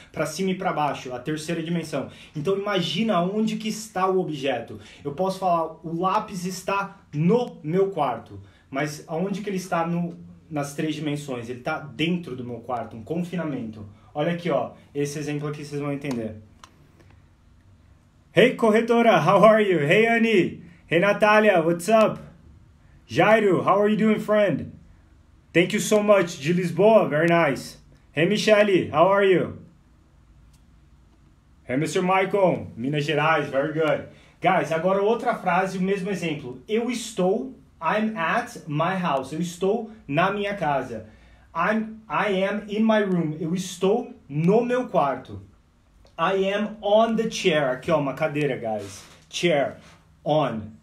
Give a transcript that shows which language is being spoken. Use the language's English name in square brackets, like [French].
[Portuguese] Para cima e para baixo, a terceira dimensão. Então, imagina onde que está o objeto. Eu posso falar, o lápis está no meu quarto. Mas aonde que ele está nas três dimensões? Ele está dentro do meu quarto, um confinamento. Olha aqui, ó, esse exemplo aqui vocês vão entender. [English] Hey, corretora, how are you? Hey, Annie. Hey, Natalia, what's up? Jairo, how are you doing, friend? Thank you so much. [Portuguese] De Lisboa, [English] very nice. Hey, Michele, how are you? Hey, Mr. Michael, Minas Gerais, very good. [Portuguese] Guys, agora outra frase, o mesmo exemplo. Eu estou, [English] I'm at my house. [Portuguese] Eu estou na minha casa. [English] I am in my room. [Portuguese] Eu estou no meu quarto. [English] I am on the chair. [Portuguese] Aqui, ó, uma cadeira, guys. [English] Chair, on.